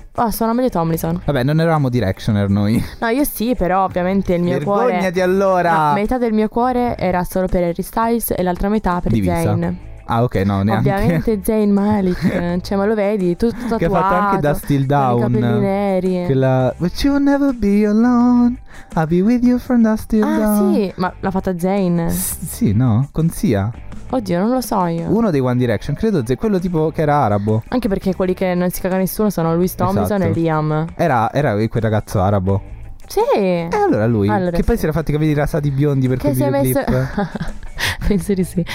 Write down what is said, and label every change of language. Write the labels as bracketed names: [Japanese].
[Italian] Oh, sono Amelia Tomlinson. Vabbè, non eravamo Directioner noi. No, io sì, però ovviamente il mio cuore... Vergognati allora! No, metà del mio cuore era solo per Harry Styles e l'altra metà per Divisa. Zayn. Ah, ok, no, neanche... Ovviamente Zayn Malik, cioè, ma lo vedi, tutto tatuato. Che ha fatto anche da Still Down. Con i capelli neri. Quella... [English] But you'll never be alone, I'll be with you from Dust Till Dawn. Ah, [Italian] sì, ma l'ha fatta Zayn. Sì, no? Con Sia? Oddio, non lo so io. Uno dei One Direction, credo, quello tipo che era arabo. Anche perché quelli che non si caga nessuno sono Louis Tomlinson, esatto, e Liam. Era quel ragazzo arabo. Sì. E allora lui, allora, che sì, poi si era fatti i capelli rasati biondi per che quel videoclip. Messo... Penso di sì.